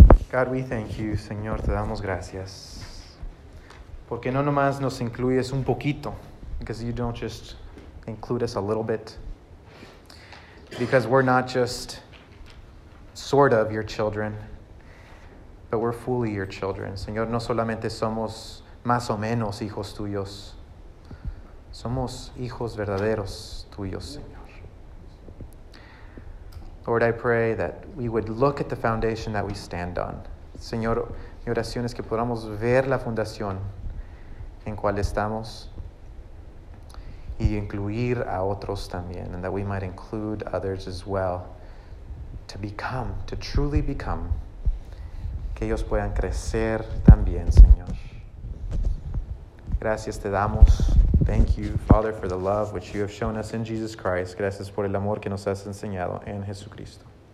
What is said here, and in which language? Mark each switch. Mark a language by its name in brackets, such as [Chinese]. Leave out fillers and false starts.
[English] God, we thank you. [Spanish] Señor, te damos gracias. Porque no nomás nos incluyes un poquito. [English] Because you don't just include us a little bit. Because we're not just sort of your children, but we're fully your children. [Spanish] Señor, no solamente somos más o menos hijos tuyos. Somos hijos verdaderos tuyos, Señor. [English] Lord, I pray that we would look at the foundation that we stand on. [Spanish] Señor, mi oración es que podamos ver la fundación en cual estamos y incluir a otros también, [English] and that we might include others as well to become, to truly become, [Spanish] que ellos puedan crecer también, Señor. Gracias te damos. [English] Thank you, Father, for the love which you have shown us in Jesus Christ. [Spanish] Gracias por el amor que nos has enseñado en Jesucristo.